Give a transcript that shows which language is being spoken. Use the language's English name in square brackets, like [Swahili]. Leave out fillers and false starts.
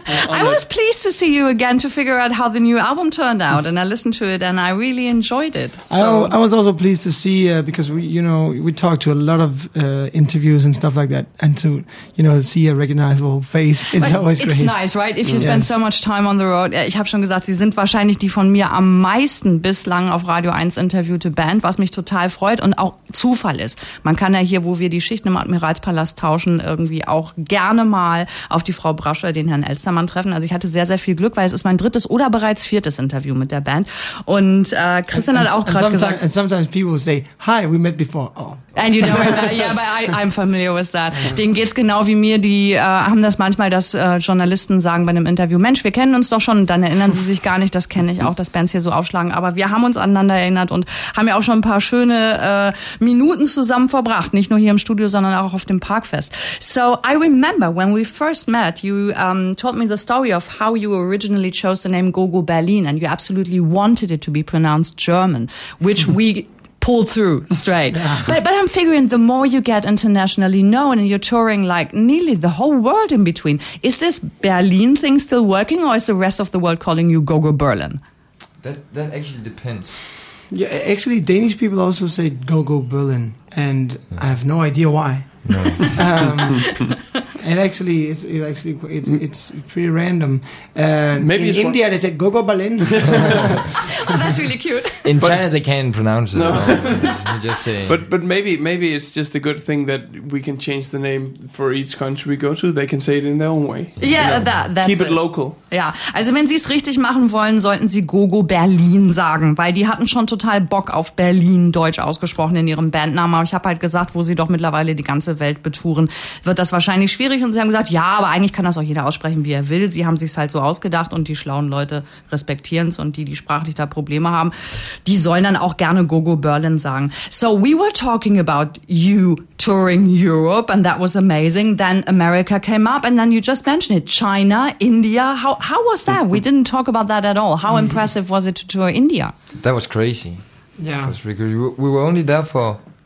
[English] I was pleased to see you again to figure out how the new album turned out. And I listened to it and I really enjoyed it. I was also pleased to see because we talked to a lot of interviews and stuff like that. And to, you know, see a recognizable face, it's always great. It's nice, right? If you spend so much time on the road. [German] Ich habe schon gesagt, sie sind wahrscheinlich die von mir am meisten bislang auf Radio 1 interviewte Band, was mich total freut und auch Zufall ist. Man kann ja hier, wo wir die Schichten im Admiralspalast tauschen, irgendwie auch gerne mal auf die Frau Brascher, den Herrn Elstermann treffen. Also ich hatte sehr, sehr viel Glück, weil es ist mein 3. oder bereits 4. Interview mit der Band. Und Christian hat auch gerade gesagt... [English] And sometimes people say, hi, we met before. Oh. And you know, I'm familiar with that. [German] Denen geht's genau wie mir. Die haben das manchmal, dass Journalisten sagen bei einem Interview, Mensch, wir kennen uns doch schon. Und dann erinnern sie sich gar nicht. Das kenne ich auch, dass Bands hier so aufschlagen. Aber wir haben uns aneinander erinnert und haben ja auch schon ein paar schöne Minuten zusammen verbracht, nicht nur hier im Studio, sondern auch auf dem Parkfest. [English] So I remember when we first met, you told me the story of how you originally chose the name Go Go Berlin and you absolutely wanted it to be pronounced German, which we pulled through straight. But I'm figuring the more you get internationally known and you're touring like nearly the whole world in between, is this Berlin thing still working or is the rest of the world calling you Go Go Berlin? That actually depends. Yeah, actually, Danish people also say "Go Go Berlin," and I have no idea why. No. It's pretty random. Maybe in India they say "Go Go Berlin." Oh, that's really cute. But China they can't pronounce it. No. I'm just saying. But maybe it's just a good thing that we can change the name for each country we go to. They can say it in their own way. Keep it local. [German] Ja, also wenn sie es richtig machen wollen, sollten sie Go Go Berlin sagen, weil die hatten schon total Bock auf Berlin deutsch ausgesprochen in ihrem Bandnamen. Aber ich habe halt gesagt, wo sie doch mittlerweile die ganze Welt betouren, wird das wahrscheinlich schwierig. Und sie haben gesagt, ja, aber eigentlich kann das auch jeder aussprechen, wie er will. Sie haben sich's halt so ausgedacht und die schlauen Leute respektieren's und die sprachlich da Probleme haben, die sollen dann auch gerne Go Go Berlin sagen. [English] So we were talking about you touring Europe and that was amazing. Then America came up and then you just mentioned it. China, India, how was that? We didn't talk about that at all. How impressive was it to tour India? That was crazy. Yeah. It was really crazy. We were only there for...